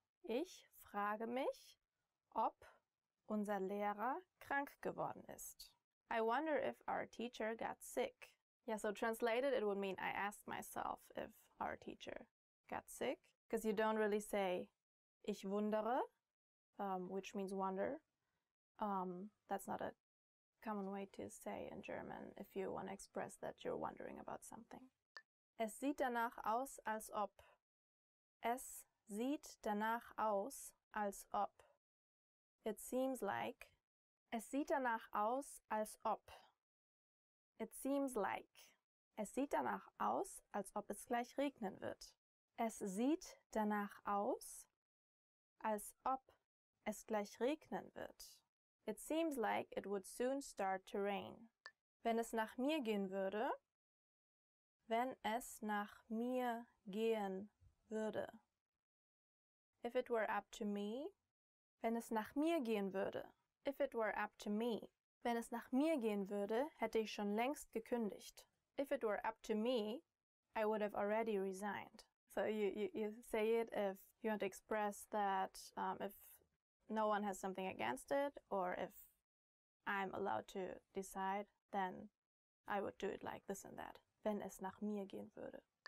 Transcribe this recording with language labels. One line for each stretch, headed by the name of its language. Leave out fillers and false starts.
German: Ich frage mich ob unser Lehrer krank geworden ist.
English: I wonder if our teacher got sick. Yeah, so translated, it would mean I asked myself if our teacher got sick? Because you don't really say,
German: ich wundere,
English: which means wonder. That's not a common way to say in German if you want to express that you're wondering about something.
German: Es sieht danach aus, als ob. Es sieht danach aus, als ob.
English: It seems like.
German: Es sieht danach aus, als ob.
English: It seems like.
German: Es sieht danach aus, als ob es gleich regnen wird. Es sieht danach aus, als ob es gleich regnen wird.
English: It seems like it would soon start to rain.
German: Wenn es nach mir gehen würde, wenn es nach mir gehen würde.
English: If it were up to me,
German: wenn es nach mir gehen würde.
English: If it were up to me,
German: wenn es nach mir gehen würde, hätte ich schon längst gekündigt.
English: If it were up to me, I would have already resigned. So you say it if you want to express that if no one has something against it, or if I'm allowed to decide, then I would do it like this and that,
German: wenn es nach mir gehen würde.